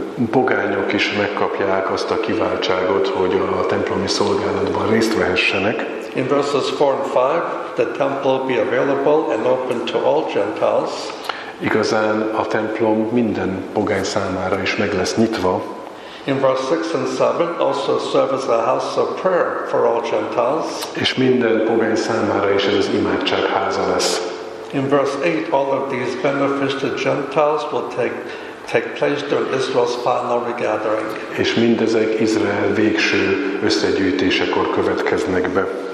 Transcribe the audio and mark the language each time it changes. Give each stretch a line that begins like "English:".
Hungarian: Pogányok is megkapják azt a kiváltságot, hogy a templomi szolgálatban részt vehessenek.
English: In verses 4 and 5, the temple will be available and open to all Gentiles.
Hungarian: Igazán a templom minden pogány számára is meg lesz nyitva.
English: In verse 6 and 7 also serve as a house of prayer for all Gentiles.
Hungarian: És minden pogány számára is ez az imádság háza lesz.
English: In verse 8 all of these benefits to Gentiles will take place during Israel's final regathering.
Hungarian: És mindezek Izrael végső összegyűjtésekor következnek be.